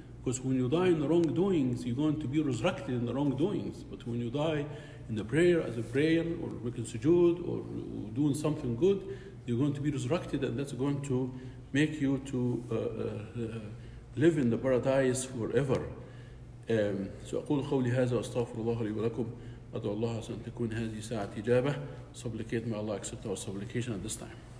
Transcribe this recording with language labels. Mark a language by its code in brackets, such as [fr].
[en] Because when you die in the wrong doings, you're going to be resurrected in the wrong doings. But when you die in the prayer, as a prayer, or making sujood, or doing something good, you're going to be resurrected, and that's going to make you to live in the paradise forever. [ar] So أقول قولي هذا وأستغفر الله لي ولكم أدعو الله عز وجل أن تكون هذه ساعة إجابة. [en] Supplicate, may Allah accept our supplication at this time.